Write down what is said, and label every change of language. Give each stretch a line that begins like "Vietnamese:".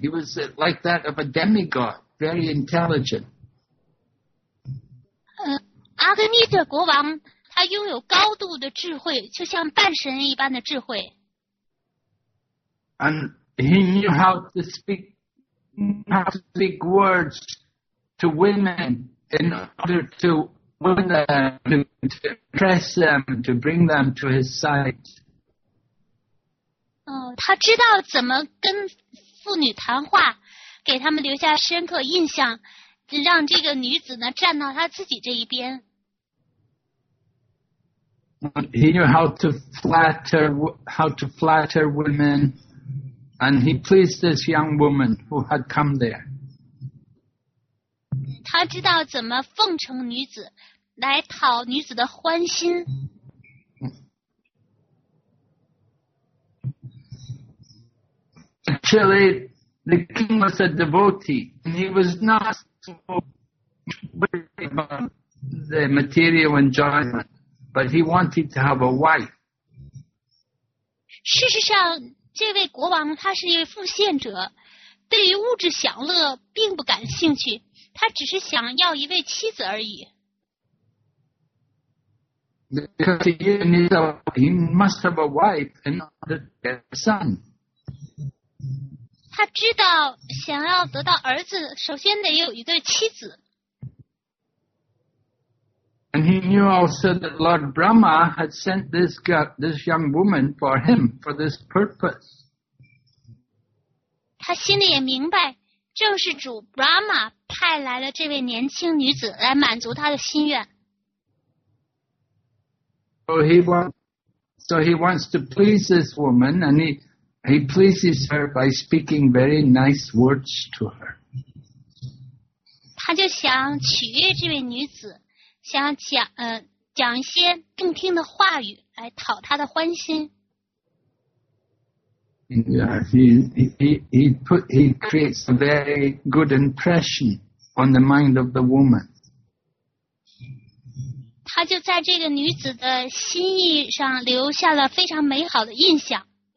English: He was like that of a demigod, very intelligent.
Chinese: 阿格尼特国王他拥有高度的智慧，就像半神一般的智慧。
English: And he knew how to speak words to women in order to win them, to impress them, to bring them to his side.
Chinese: 他知道怎么跟妇女谈话，给他们留下深刻印象，让这个女子呢站到他自己这一边。
English: He knew how to flatter women, and he pleased this young woman who had come there.
Chinese: 他知道怎么奉承女子，来讨女子的欢心。
English: Actually, the king was a devotee, and he was not so worried about the material enjoyment, but he wanted to have a wife.
Chinese: 事实上，这位国王他是一位奉献者，对于物质享乐并不感兴趣，他只是想要一位妻子而已。
English: Because he must have a wife and not a son.
Chinese: 他知道想要得到儿子，首先得有一对妻子。
English: And he knew also that Lord Brahma had sent this young woman for him for this purpose.
Chinese: 他心里也明白，正是主 Brahma 派来了这位年轻女子来满足他的心愿。
English: So he wants to please this woman, and he pleases her by speaking very nice words to her.
Chinese: 他就想取悦这位女子，想讲讲一些动听的话语来讨她的欢心。
English: Yeah, he creates a very good impression on the mind of the woman.
Chinese: 他就在这个女子的心意上留下了非常美好的印象。